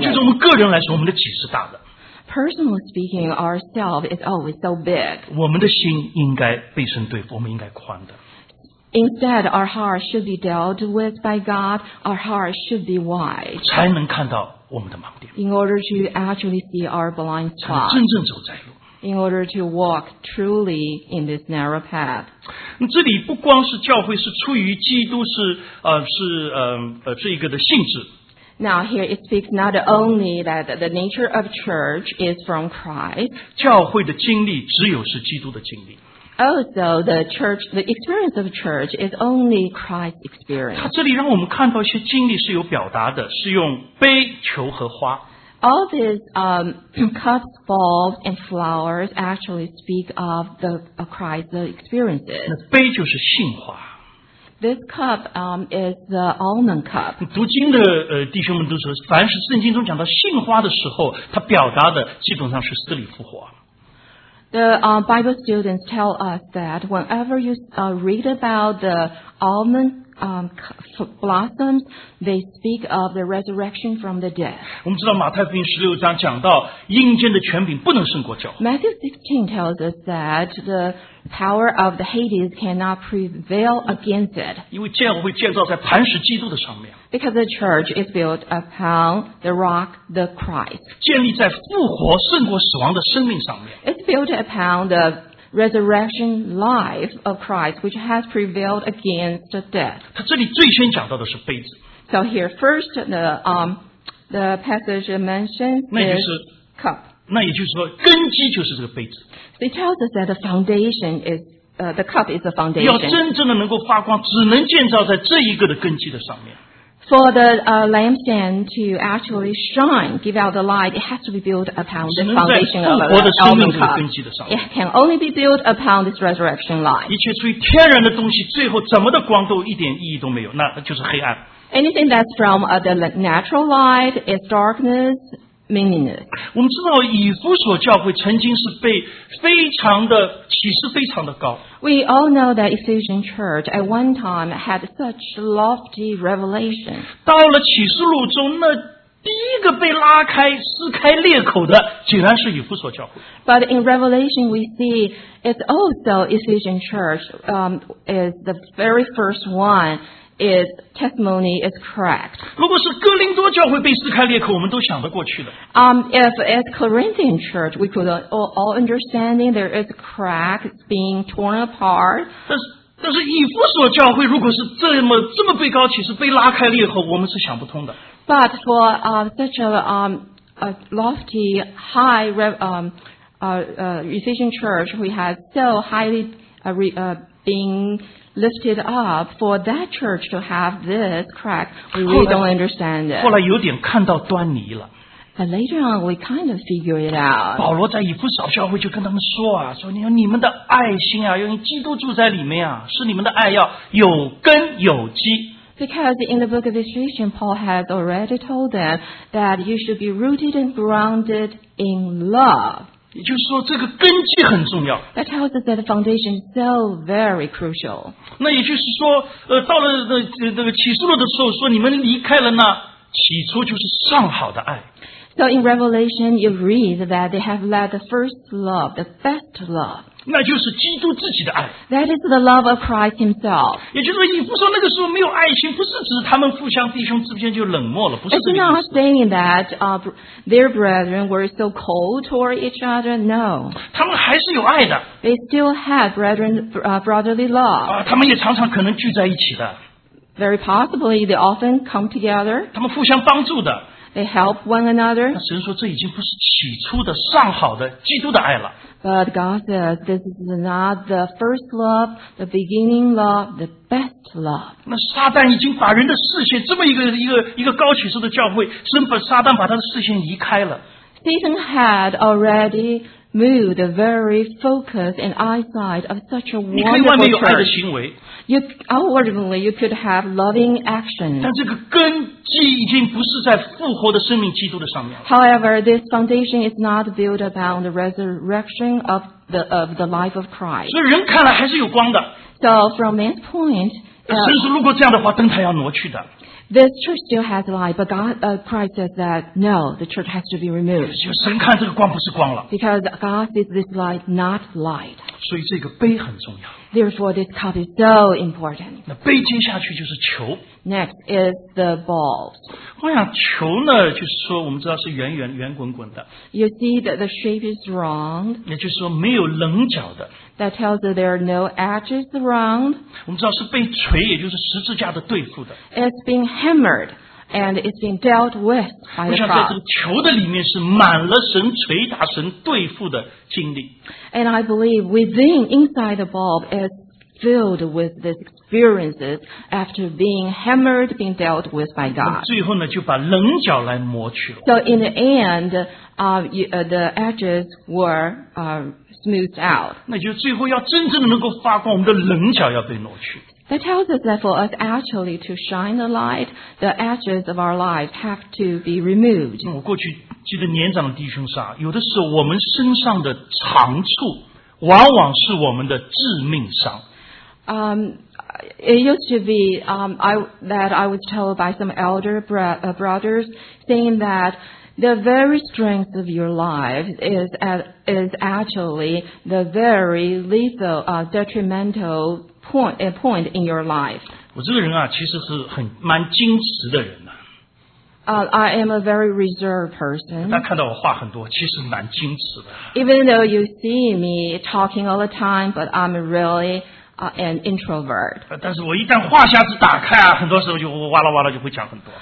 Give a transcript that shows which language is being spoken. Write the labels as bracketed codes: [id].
[zh] 但就是我们个人来说，我们的己是大的。 [en] Personally speaking, ourselves is always so big. [zh] 我们的心应该被神对付，我们应该宽的。 [en] Instead, our heart should be dealt with by God. Our heart should be wide. [zh] 才能看到我们的盲点。 [en] In order to actually see our blind spot. [zh] 才能真正走窄路。 [en] In order to walk truly in this narrow path. [zh] 这里不光是教会是出于基督是这一个的性质。 [en] Now here it speaks not only that the nature of church is from Christ. [zh] 教会的经历只有是基督的经历。 [en] Also, the experience of church is only Christ's experience. [zh] 他这里让我们看到一些经历是有表达的，是用杯、球和花。 [en] All these cups, bowls, and flowers actually speak of the Christ experiences. [zh] 那杯就是杏花。 [en] This cup is the almond cup. [zh] 读经的弟兄们都说，凡是圣经中讲到杏花的时候，它表达的基本上是死里复活。 [en] The Bible students tell us that whenever you read about the almond blossoms, they speak of the resurrection from the dead. [zh] 我们知道马太福音十六章讲到阴间的权柄不能胜过教会。 [en] Matthew 16 tells us that the power of the Hades cannot prevail against it. [zh] 因为教会建造在磐石基督的上面。 [en] Because the church is built upon the rock, the Christ. [zh] 建立在复活胜过死亡的生命上面。 [en] It's built upon the resurrection life of Christ, which has prevailed against the dead. [zh] 他这里最先讲到的是杯子。 [en] So here, first the passage mentions is cup. [zh] 那也就是说，根基就是这个杯子。 [en] It tells us that the foundation is the cup is the foundation. [zh] 要真正的能够发光，只能建造在这一个的根基的上面。 [en] For the lampstand to actually shine, give out the light, it has to be built upon the foundation of the almond cup. It can only be built upon this resurrection light. [zh] 一切出于天然的东西，最后怎么的光都一点意义都没有，那就是黑暗。 [en] Anything that's from the natural light is darkness, meaningless. [zh] 我们知道以弗所教会曾经是被非常的启示非常的高。 [en] We all know that Ephesian church at one time had such lofty revelation. [zh] 到了启示录中，那第一个被拉开、撕开裂口的，竟然是以弗所教会。 [en] But in Revelation, we see it's also Ephesian church is the very first one. Its testimony is correct. [zh] 如果是哥林多教会被撕开裂口，我们都想得过去的。 [en] If it's Corinthian church, we could all understanding there is cracks being torn apart. [zh] 但是以弗所教会如果是这么被高起，是被拉开裂口，我们是想不通的。 [en] But for such a lofty, high Ephesian church, we have so highly being lifted up for that church to have this crack, we really don't understand it. [zh] 后来有点看到端倪了。 [en] But later on, we kind of figure it out. [zh] 保罗在以弗所教会就跟他们说啊，说你们的爱心啊，因为基督住在里面啊，是你们的爱要有根有基。 [en] Because in the book of Ephesians, Paul has already told them that you should be rooted and grounded in love. [zh] 也就是说，这个根基很重要。 [en] That tells us that the foundation is so very crucial. [zh] 那也就是说，到了那个启示录的时候，说你们离开了那起初就是上好的爱。 [en] So in Revelation, you read that they have led the first love, the best love. [zh] 那就是基督自己的爱。 [en] That is the love of Christ himself. [zh] 也就是说，你不说那个时候没有爱情，不是指他们互相弟兄之间就冷漠了，不是这个意思。 [en] It's not saying that their brethren were so cold toward each other. No. [zh] 他们还是有爱的。 [en] They still had brethren, brotherly love. [zh] 他们也常常可能聚在一起的。 [en] Very possibly, they often come together. [zh] 他们互相帮助的。 [en] They help one another. [zh] 那神说这已经不是起初的上好的基督的爱了。 [en] But God says this is not the first love, the beginning love, the best love. [zh] 那撒旦已经把人的视线这么一个高启示的教会，神把撒旦把他的视线移开了。 [en] Satan had already moved the very focus and eyesight of such a wonderful church. [zh] 你可以外面有爱的行为。 [en] You, outwardly, you could have loving action. [zh] 但这个根基已经不是在复活的生命基督的上面了。 [en] However, this foundation is not built upon the resurrection of the life of Christ. [zh] 所以人看来还是有光的。 [en] So from man's point, [zh] 神说如果这样的话，灯台要挪去的。 [en] This church still has light, but God, Christ says that no, the church has to be removed. [zh] 就神看这个光不是光了。 [en] Because God sees this light not light. [zh] 所以这个杯很重要。 [en] Therefore, this cup is so important. [zh] 那杯接下去就是球。 [en] Next is the balls. [zh] 我想球呢，就是说我们知道是圆滚滚的。 [en] You see that the shape is round. [zh] 也就是说没有棱角的。 [en] That tells that there are no edges around. [zh] 我们知道是被锤，也就是十字架的对付的。 [en] It's being hammered and it's being dealt with by the cross. [zh] 我想在这个球的里面是满了神锤打神对付的经历。 [en] And I believe within inside the bulb is filled with these experiences after being hammered, being dealt with by God. [zh] 最后呢，就把棱角来磨去了。 [en] So in the end, the edges were smoothed out. [zh] 那就最后要真正的能够发光，我们的棱角要被挪去。 [en] That tells us that for us actually to shine the light, the edges of our lives have to be removed. [zh] 我过去记得年长的弟兄说，有的时候我们身上的长处，往往是我们的致命伤。 [en] It used to be that I was told by some elder brothers saying that the very strength of your life is actually the very lethal, detrimental point in your life. [zh] 我这个人啊，其实是很蛮矜持的人呐。 [en] I am a very reserved person. [zh] 大家看到我话很多，其实蛮矜持的。 [en] Even though you see me talking all the time, but I'm really an introvert. [zh] 但是我一旦话匣子打开啊，很多时候就哇啦哇啦就会讲很多。